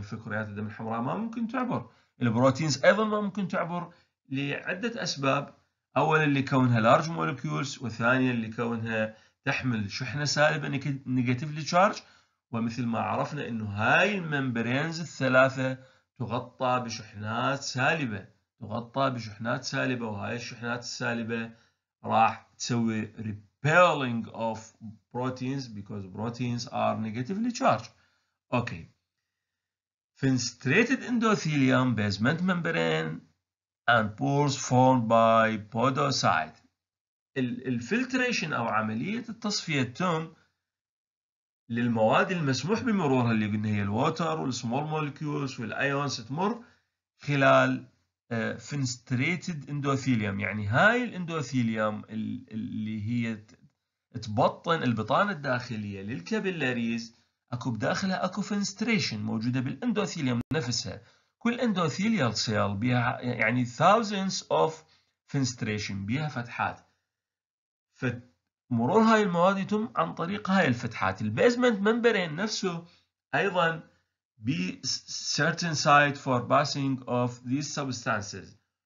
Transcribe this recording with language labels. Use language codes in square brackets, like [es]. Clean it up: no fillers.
[ar] في كريات الدم الحمراء ما ممكن تعبر، البروتينز ايضا ما ممكن تعبر لعدة اسباب، اولا لكونها لارج مولكيولز، وثانيا لكونها تحمل شحنة سالبة نيجاتيفلي تشارج، ومثل ما عرفنا انه هاي الممبرينز الثلاثة تغطى بشحنات سالبة، وهاي الشحنات السالبة راح تسوي [en] repelling of proteins because proteins are negatively charged. Okay. Fenestrated endothelium, basement membrane and pores formed by podocyte. [ar] الفلتريشن او عملية التصفية تم للمواد المسموح بمرورها اللي قلنا هي الووتر والسمول مولكيولز والايونز، تمر خلال فينستريتد اندوثيليوم. يعني هاي الاندوثيليوم اللي هي تبطن البطانة الداخلية للكابيلاريز، اكو بداخلها اكو فينستريشن موجودة بالاندوثيليوم نفسها. كل اندوثيليال سيل بيها يعني [en] thousands of [ar] فينستريشن، بيها فتحات، فمرور هاي المواد يتم عن طريق هاي الفتحات. [en] البيزمنت ممبرين [ar] نفسه ايضا [en] be certain site for passing of these substances.